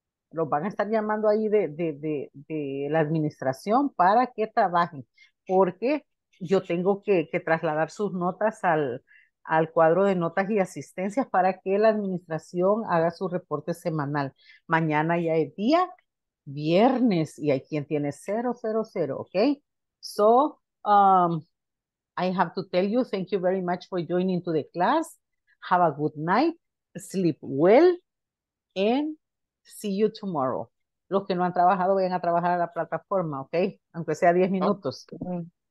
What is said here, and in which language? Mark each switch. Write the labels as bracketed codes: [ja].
[es] Los van a estar llamando ahí de la administración para que trabajen. Porque yo tengo que trasladar sus notas al cuadro de notas y asistencias para que la administración haga su reporte semanal. Mañana ya es día viernes y hay quien tiene 000, ¿ok? [en] So, I have to tell you, thank you very much for joining to the class. Have a good night, sleep well, and see you tomorrow. [es] Los que no han trabajado, vayan a trabajar a la plataforma, ¿ok? Aunque sea 10 minutos. Okay.